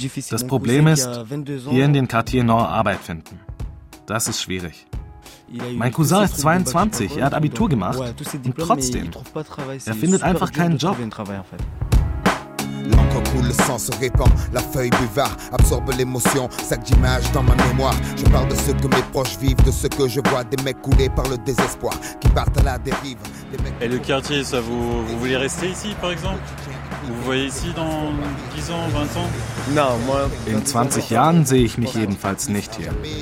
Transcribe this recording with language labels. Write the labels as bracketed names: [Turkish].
[German] Das Problem ist, hier in den Quartier Nord Arbeit finden. Das ist schwierig. Mein Cousin ist 22, er hat Abitur gemacht. Und trotzdem, er findet einfach keinen Job. [French] L'encre coule, le sang se répand, la feuille buvard absorbe l'émotion, sac d'images dans ma mémoire. Je parle de ce que mes proches vivent, de ce que je vois, des mecs coulés par le désespoir qui partent à la dérive. Et le quartier, ça vous voulez rester ici par exemple? Vous voyez ici dans 10 ans, 20 ans? Non, moi. [German] In 20 Jahren sehe ich mich jedenfalls nicht hier.